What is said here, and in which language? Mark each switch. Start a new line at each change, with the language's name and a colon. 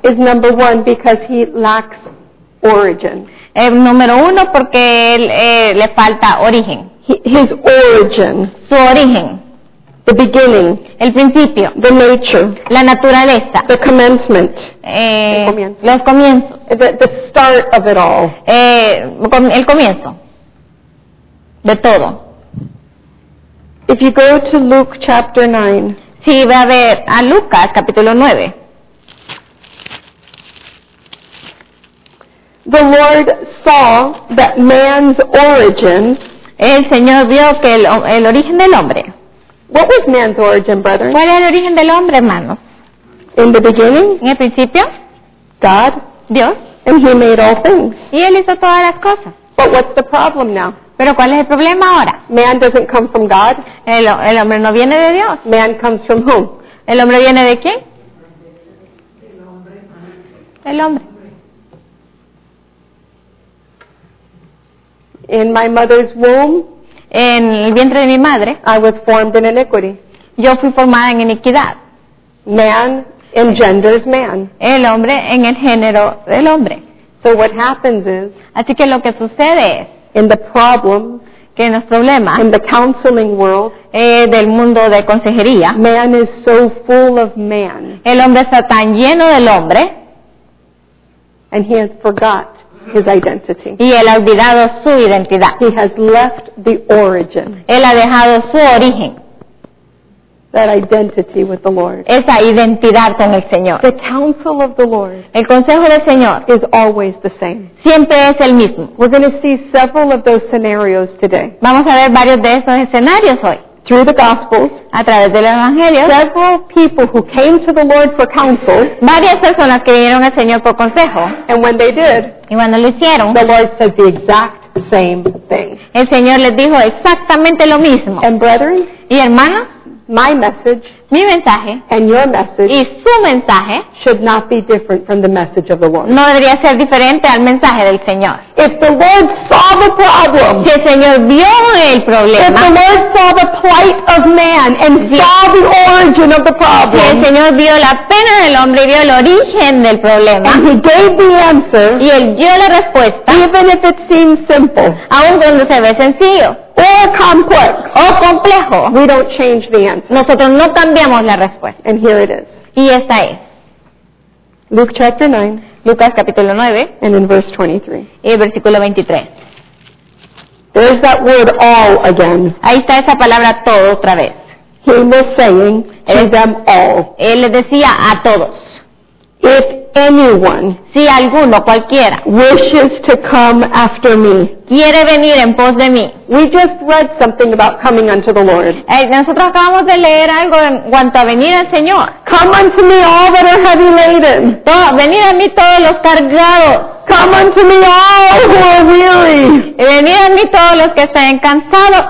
English: Is number one because he lacks origin.
Spanish: El número uno porque le falta origen.
English: His origin.
Spanish: Su origen.
English: The beginning.
Spanish: El principio.
English: The nature.
Spanish: La naturaleza.
English: The commencement.
Spanish: Los comienzos.
English: The start of it all.
Spanish: El comienzo. De todo.
English: If you go to Luke chapter 9.
Spanish: Si va a ver a Lucas capítulo 9.
English: The Lord saw that man's origin.
Spanish: El Señor vio que el origen del hombre.
English: What was man's origin, brethren?
Spanish: ¿Cuál era el origen del hombre, hermanos?
English: In the beginning.
Spanish: En el principio.
English: God.
Spanish: Dios.
English: And he made all things.
Spanish: Y él hizo todas las cosas.
English: But what's the problem now?
Spanish: ¿Pero cuál es el problema ahora?
English: Man doesn't come from God.
Spanish: El hombre no viene de Dios.
English: Man comes from whom?
Spanish: ¿El hombre viene de quién? El hombre.
English: In my mother's womb.
Spanish: En el vientre de mi madre.
English: I was formed in iniquity.
Spanish: Yo fui formada en iniquidad.
English: Man engenders man.
Spanish: El hombre en el género del hombre.
English: So what happens is.
Spanish: Así que lo que sucede es.
English: In the problem,
Spanish: que no es problema.
English: In the counseling world,
Spanish: del mundo de consejería,
English: man is so full of man.
Spanish: El hombre está tan lleno del hombre.
English: And he has forgot his identity.
Spanish: Y él ha olvidado su identidad.
English: He has left the origin.
Spanish: Él ha dejado su origen.
English: That identity with the Lord.
Spanish: Esa identidad con el Señor.
English: The counsel of the Lord.
Spanish: El consejo del Señor.
English: Is always the same.
Spanish: Siempre es el mismo.
English: We're going to see several of those scenarios today.
Spanish: Vamos a ver varios de esos escenarios hoy.
English: Through the Gospels.
Spanish: A través del Evangelio.
English: Several people who came to the Lord for counsel.
Spanish: Varias personas que vinieron al Señor por consejo.
English: And when they did.
Spanish: Y cuando lo hicieron.
English: The Lord said the exact same thing.
Spanish: El Señor les dijo exactamente lo mismo.
English: And brethren.
Spanish: Y hermanos.
English: My message,
Spanish: mi mensaje,
English: and your message,
Spanish: y su mensaje,
English: should not be different from the message of the Lord.
Spanish: No debería ser diferente al mensaje del Señor.
English: If the Lord saw the problem,
Spanish: si el Señor vio el problema,
English: if the Lord saw the plight of man and saw the origin of the problem,
Spanish: si el Señor vio la pena del hombre y vio el origen del problema,
English: and he gave the answer,
Spanish: y él dio la respuesta,
English: even if it seems simple,
Spanish: aun cuando se ve sencillo.
English: Or complex.
Spanish: Or complejo.
English: We don't change the answer.
Spanish: Nosotros no cambiamos la respuesta.
English: And here it is.
Spanish: Y esta es.
English: Luke chapter 9.
Spanish: Lucas capítulo 9.
English: And in verse 23.
Spanish: Y el versículo 23.
English: There's that word all again.
Spanish: Ahí está esa palabra todo otra vez.
English: He was saying to them all.
Spanish: Él les decía a todos.
English: If anyone,
Spanish: si alguno, cualquiera,
English: wishes to come after me,
Spanish: quiere venir en pos de mí.
English: We just read something about coming unto the Lord.
Spanish: Nosotros acabamos de leer algo en cuanto a venir al Señor.
English: Come unto me, all that are heavy laden.
Spanish: Venir a mí todos los cargados.
English: Come unto me, all who are weary.
Spanish: Venir a mí todos los que estén cansados.